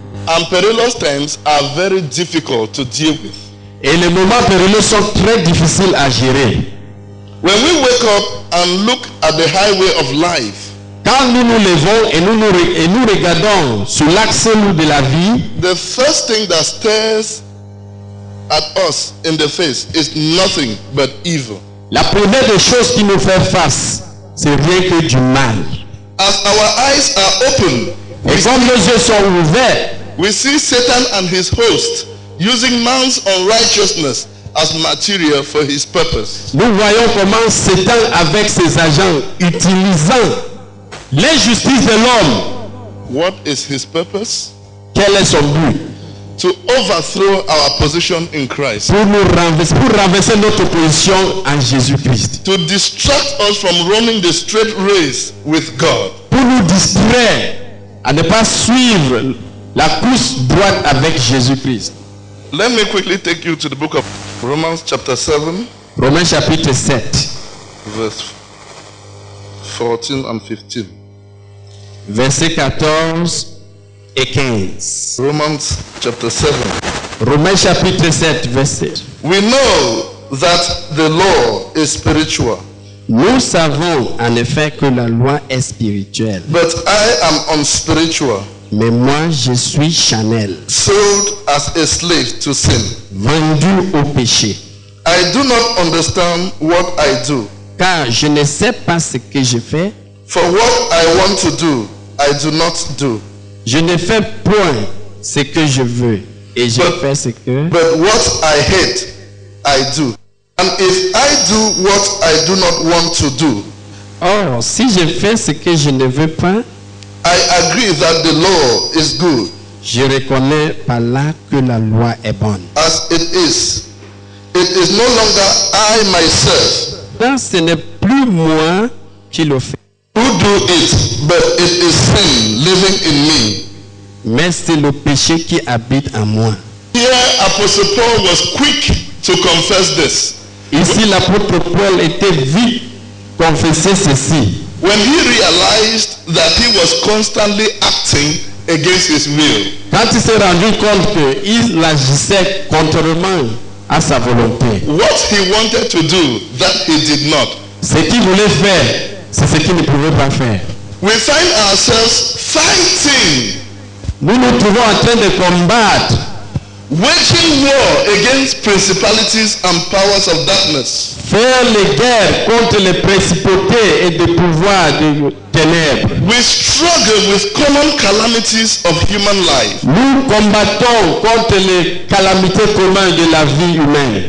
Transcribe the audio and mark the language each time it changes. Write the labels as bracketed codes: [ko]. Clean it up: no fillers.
[en] And perilous times are very difficult to deal with. [fr] Et les moments périlleux sont très difficiles à gérer. [en] When we wake up and look at the highway of life, [fr] quand nous nous levons et nous regardons sur l'axe de la vie, [en] the first thing that stares at us in the face is nothing but evil. [fr] La première des choses qui nous fait face, c'est rien que du mal. [en] As our eyes are open, [fr] et comme nos yeux sont ouverts, [en] we see Satan and his host using man's unrighteousness as material for his purpose. [fr] Nous voyons comment Satan avec ses agents utilisant l'injustice de l'homme. [en] What is his purpose? [fr] Quel est son but? [en] to overthrow our position in Christ. [fr] Pour renverser notre position en Jésus Christ. [en] To distract us from running the straight race with God. [fr] Pour nous distraire à ne pas suivre la course droite avec Jésus Christ. [en] Let me quickly take you to the book of Romans chapter 7. [fr] Romains chapitre 7. [en] Verses 14 and 15. Romans chapter 7. [fr] Romains chapitre 7, verset. [en] We know that the law is spiritual. [fr] Nous savons en effet que la loi est spirituelle. [en] But I am unspiritual. [fr] Mais moi je suis charnel. [en] Sold as a slave to sin. [fr] Vendu au péché. [en] I do not understand what I do. [fr] Car je ne sais pas ce que je fais. [en] For what I want to do, I do not do. [fr] Je ne fais point ce que je veux et je fais ce que. [en] But what I hate, I do. And if I do what I do not want to do. [fr] Or si je fais ce que je ne veux pas. [en] I agree that the law is good. [fr] Je reconnais par là que la loi est bonne. [en] As it is. It is no longer I myself. [fr] Non, ce n'est plus moi qui le fais. [en] Who do it? But it is sin living in me. [fr] Mais c'est le péché qui habite en moi. [en] Here, Apostle Paul was quick to confess this. [fr] Ici, l'apôtre Paul était vite confesser ceci. [en] When he realized that he was constantly acting against his will. [fr] Quand il s'est rendu compte qu'il agissait contrairement à sa volonté. [en] What he wanted to do, that he did not. [fr] Ce qu'il voulait faire. C'est ce qu'il ne pouvait pas faire. [en] We find ourselves fighting. [fr] Nous nous trouvons en train de combattre. [en] Waging war against principalities and powers of darkness. [fr] Faire les guerres contre les principautés et les pouvoirs des ténèbres. [en] We struggle with common calamities of human life. [fr] Nous combattons contre les calamités communes de la vie humaine.